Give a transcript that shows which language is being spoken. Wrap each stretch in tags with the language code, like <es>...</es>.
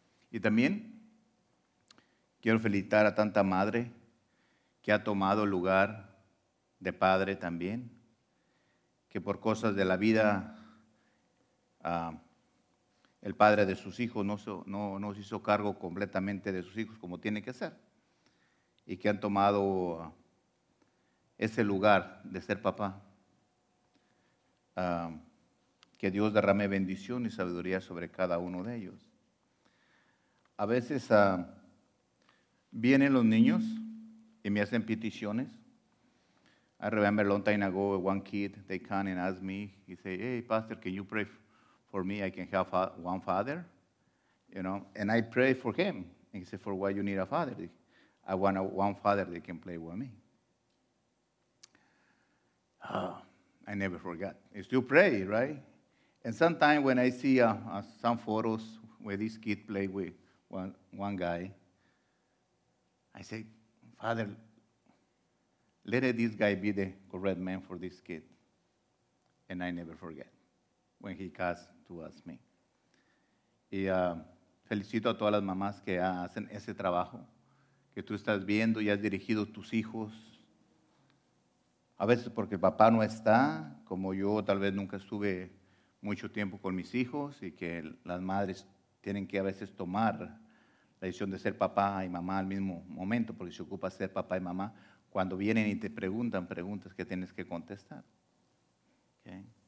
<es>Y también quiero felicitar a tanta madre que ha tomado el lugar de padre también, que por cosas de la vida, el padre de sus hijos no se hizo cargo completamente de sus hijos como tiene que ser, y que han tomado ese lugar de ser papá. Que Dios derrame bendición y sabiduría sobre cada uno de ellos. A veces vienen los niños y me hacen peticiones.</es> <en>I remember a long time ago, one kid, they come and ask me, he say, hey, pastor, can you pray for me? I can have one father, you know, and I pray for him. And he said, for why you need a father? I want one father that can play with me. I never forgot. You still pray, right? And sometimes when I see some photos where this kid played with one guy, I say, Father, let this guy be the correct man for this kid. And I never forget when he comes to ask me.</en> <es>Y felicito a todas las mamás que hacen ese trabajo, que tú estás viendo y has dirigido tus hijos. A veces porque el papá no está, como yo tal vez nunca estuve mucho tiempo con mis hijos, y que las madres tienen que a veces tomar la decisión de ser papá y mamá al mismo momento, porque se ocupa ser papá y mamá cuando vienen y te preguntan preguntas que tienes que contestar. ¿Okay?</es>